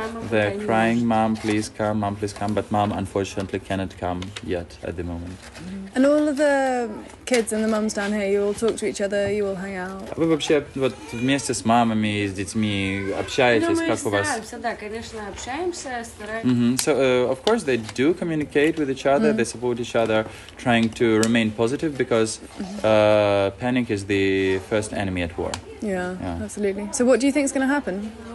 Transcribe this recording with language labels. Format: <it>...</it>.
<en>they're crying, mom, please come, but mom unfortunately cannot come yet at the moment. Mm-hmm. And all of the kids and the mums down here, you all talk to each other, you all hang out?</en> <ru>Вы вообще вот вместе с мамами и с детьми общаетесь, как у вас? Да, конечно, общаемся, стараемся. Mm-hmm.</ru> <en>So, of course, they do communicate with each other, mm-hmm. they support each other. They're trying to remain positive because panic is the first enemy at war. Absolutely. So what do you think is going to happen?</en>